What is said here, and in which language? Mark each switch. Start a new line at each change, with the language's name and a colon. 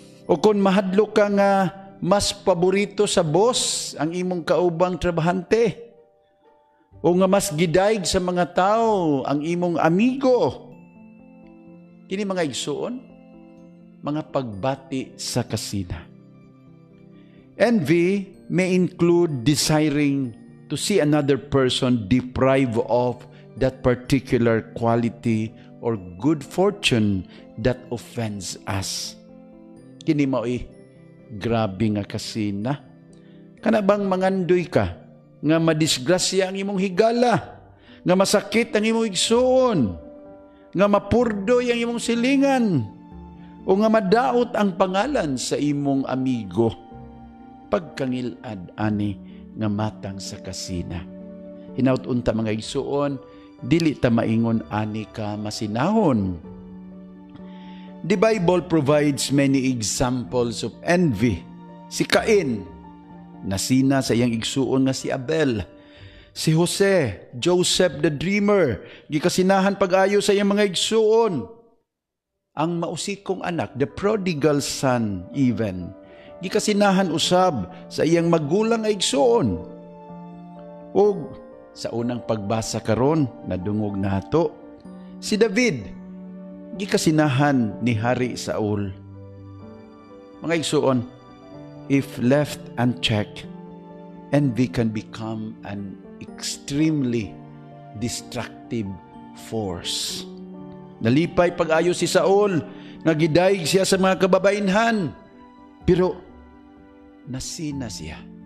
Cebuano: O kung mahadlok ka nga mas paborito sa boss ang imong kaubang trabahante, o nga mas gidayg sa mga tao ang imong amigo, kini mga igsoon, mga pagbati sa kasina.
English: Envy may include desiring to see another person deprived of that particular quality or good fortune that offends us.
Cebuano: Kini mao eh, grabe nga kasina. Kanabang mangandoy ka nga madisgrasya ang imong higala, nga masakit ang imong igsoon, nga mapurdoy ang imong silingan, o nga madaot ang pangalan sa imong amigo. Pagkangilad ani nga matang sa kasina. Hinaut-unta mga isuon, dili ta maingon ani ka masinahon.
English: The Bible provides many examples of envy.
Cebuano: Si Cain, nasina sa iyang igsuon nga si Abel. Si Jose,
English: Joseph the dreamer,
Cebuano: gikasinahan pag-ayo sa iyang mga igsuon. Ang mausikong anak,
English: the prodigal son even,
Cebuano: gikasinahan usab sa iyang magulang igsoon. O sa unang pagbasa karon nadungog nato si David, gikasinahan ni Hari Saul. Mga igsoon,
English: if left unchecked, envy can become an extremely destructive force.
Cebuano: Nalipay pag-ayo si Saul, nagidayig siya sa mga kababainhan, pero nasina siya.